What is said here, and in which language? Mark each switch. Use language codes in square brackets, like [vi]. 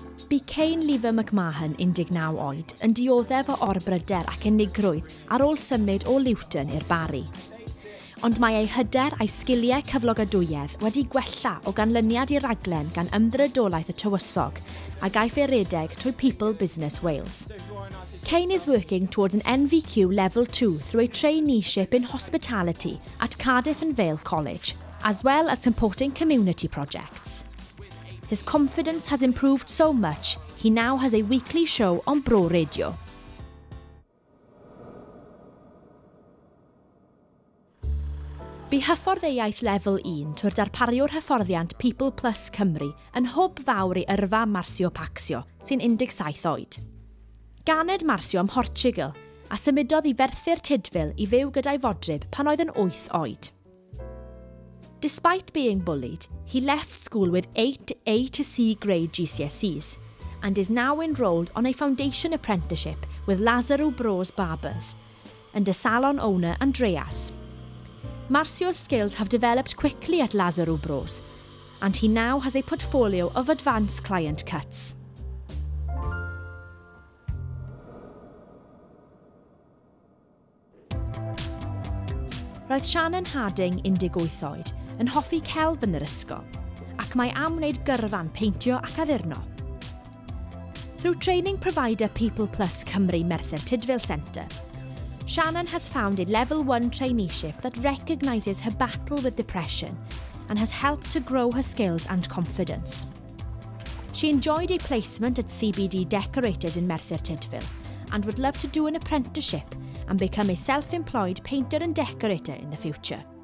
[cy] Bu Cain Lever McMahon, 19 oed, yn dioddef o orbryder ac unigrwydd ar ôl symud o Lewton i'r Bari. Ond mae ei hyder a'i sgiliau cyflogadwyedd wedi gwella o ganlyniad i'r raglen gan ymddrydolaeth y tywysog a gaiff ei redeg trwy People Business Wales. [en] Cain is working towards an NVQ Level 2 through a traineeship in hospitality at Cardiff and Vale College, as well as supporting community projects. His confidence has improved so much, he now has a weekly show on Bro Radio. [cy] Bu hyfforddeiaeth lefel 1 trwy'r darpariwr hyfforddiant People Plus Cymru yn hwb fawr i yrfa Marcio Paxio, sy'n 17 oed. Ganed Marcio ym Mhortiwgal, a symudodd i Ferthyr Tydfil i fyw gyda'i fodryb pan oedd yn 8 oed. [en] Despite being bullied, he left school with 8 A to C grade GCSEs and is now enrolled on a foundation apprenticeship with Lazaru Bros Barbers and a salon owner Andreas. Marcio's skills have developed quickly at Lazaru Bros and he now has a portfolio of advanced client cuts. [cy] Roedd Shannon Harding, 18 oed, yn hoffi celf yn yr ysgol, ac mae am wneud gyrfan peintio ac addurno. [en] Through training provider People Plus Cymru Merthyr Tydfil Centre, Shannon has found a level 1 traineeship that recognises her battle with depression and has helped to grow her skills and confidence. She enjoyed a placement at CBD Decorators in Merthyr Tydfil and would love to do an apprenticeship and become a self-employed painter and decorator in the future.